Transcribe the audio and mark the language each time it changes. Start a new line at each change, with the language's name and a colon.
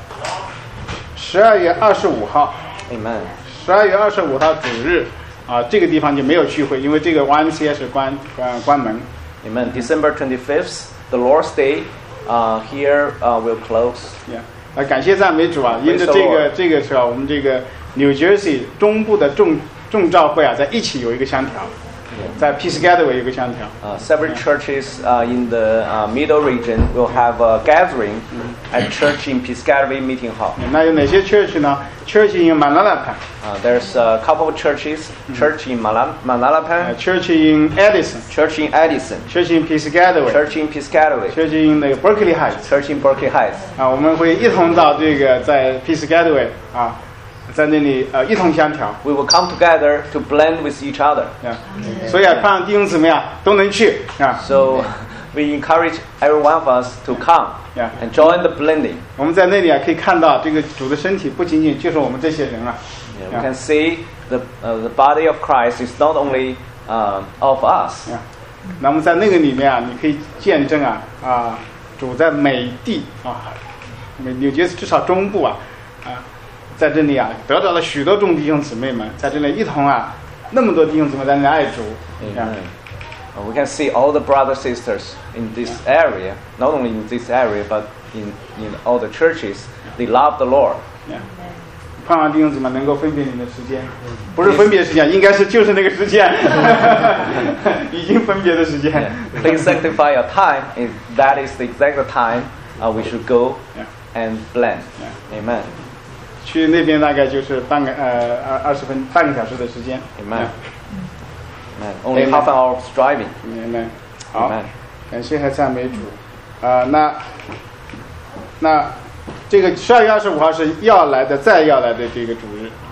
Chinese: 那第二件事情就是，12月25号。
English: Amen.
Chinese: 12月25号主日，这个地方就没有聚会，因为这个 YMCA 是关门。
English: Amen. December 25th, the Lord's Day, here will close.
Chinese: Yeah. 感谢赞美主啊，因着这个时候，我们这个 New Jersey 中部的众召会啊，在一起有一个相调。在 Peace Gathering 有个香调。
English: Several churches in the middle region will have a gathering at church in Peace Gathering meeting hall.
Chinese: 那有哪些 church 呢 ？
English: Church in Manalapan. There's a couple of churches. Church in Manalapan. Church in Edison. Church in Edison. Church in Peace Gathering. Church in Peace Gathering. Church in the Berkeley Heights. Church in Berkeley Heights.
Chinese: 我们会一同到这个在 Peace Gathering 啊。在那里一同相调
English: We will come together to blend with each other.
Chinese: 所以盼望弟兄姊妹都能去
English: So we encourage every one of us to come and join the blending.
Chinese: 我们在那里可以看到这个主的身体不仅仅就是我们这些人
English: We can see the body of Christ is not only of us.
Chinese: 那么在那个里面你可以见证主在美地纽约至少中部在这里得到了许多众弟兄姊妹们在这里一同那么多弟兄姊妹在那里爱主
English: We can see all the brothers and sisters in this area not only in this area but in all the churches they love the Lord
Chinese: 盼望弟兄姊妹能够分别你的时间不是分别时间应该是就是那个时间已经分别的时间
English: Please sanctify your time if that is the exact time we should go and blend Amen
Chinese: 去那边大概就是半个二十分半个小时的时间
English: Amen. Only half an hour of driving Amen. 好 Amen.
Chinese: 感谢和赞美主那这个十二月二十五号是要来的再要来的这个主日